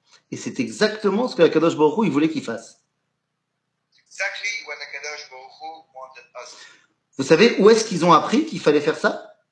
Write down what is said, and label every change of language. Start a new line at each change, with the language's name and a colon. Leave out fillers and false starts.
French: Et c'est exactement ce que Akadosh Baruch Hu, il voulait qu'il fasse.
English: Exactly what Akadosh Baruch Hu wanted us.
French: Vous savez où est-ce qu'ils ont appris qu'il fallait faire ça?